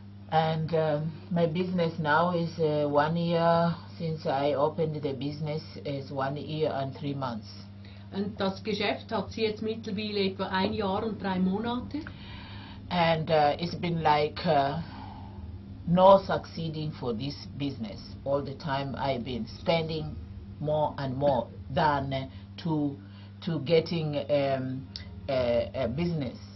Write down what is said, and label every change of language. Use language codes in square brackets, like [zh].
[en] And my business now is 1 year since I opened the business is 1 year and 3 months. [de] Und das Geschäft hat sie jetzt mittlerweile etwa 1 Jahr und 3 Monate. [en] And it's been like no succeeding for this business. All the time I've been spending more and more than to getting a business.